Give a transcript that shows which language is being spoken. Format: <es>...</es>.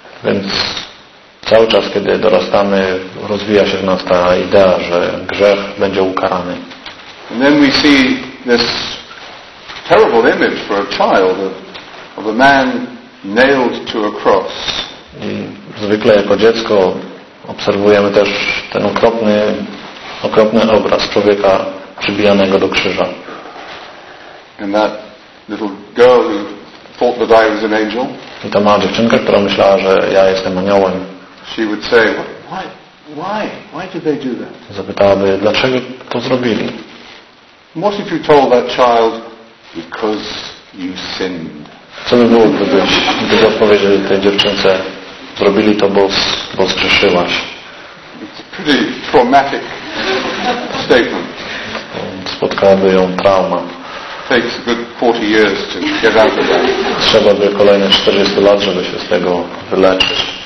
<pl>Więc cały czas, kiedy dorastamy, rozwija się w nas ta idea, że grzech będzie ukarany.</pl> <en>And then we see this terrible image for a child of a man nailed to a cross.</en> <pl>I zwykle jako dziecko obserwujemy też ten okropny obraz człowieka przybijanego do krzyża.</pl> <en>And that little girl who thought that I was an angel.</en> <pl>I ta mała dziewczynka, która myślała, że ja jestem aniołem.</pl> <en>She would say, why did they do that?</en> <pl>Zapytałaby, dlaczego to zrobili?</pl> <en>What if you told that child, because you sinned?</en> <pl>Co by było, gdyby odpowiedzieli tej dziewczynce, zrobili to, bo zgrzeszyłaś.</pl> <en>It's a pretty traumatic statement.</en> <pl>Spotkałaby ją trauma.</pl> <en>Takes a good 40 years to get out of that.</en> <pl>Trzeba by kolejne 40 lat, żeby się z tego wyleczyć.</pl>